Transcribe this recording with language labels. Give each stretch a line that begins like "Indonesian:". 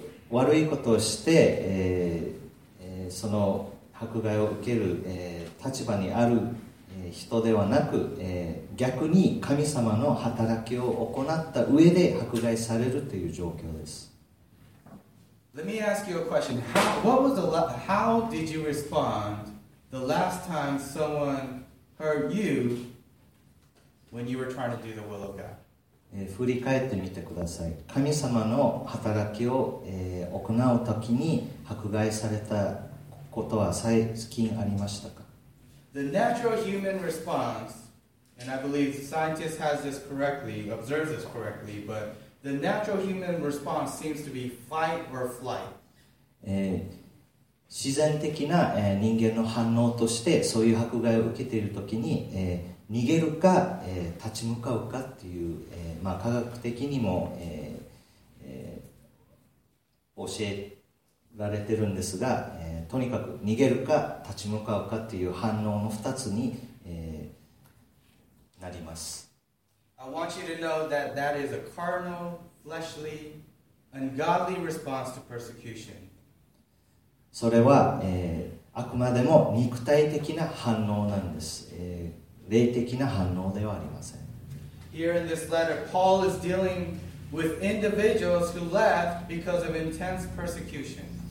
Japanese: 悪いことをして、その迫害を受ける、立場にある、人ではなく、逆に神様の働きを行った上で迫害されるという状況です。
English: Let me ask you a question. How did you respond the last time someone hurt you when you were trying to do the will of God?
Japanese: 振り返ってみてください。神様の働きを、行うときに迫害されたことは最近ありましたか？
English: The natural human response, and I believe the scientist has this correctly, observes this correctly, but the natural human response seems to be fight or flight.
Japanese: 自然的な、人間の反応としてそういう迫害を受けているときに、逃げるか、立ち向かうかっていう、まあ、科学的にも、教えられてるんですが、とにかく逃げるか立ち向かうかっていう反応の2つに、なります。
English: I want you to know that that is a carnal, fleshly, ungodly response to persecution.
Japanese: それは、あくまでも肉体的な反応なんです。霊的な反応ではありません。
English: Here in this letter, Paul is dealing with individuals who left because of intense persecution.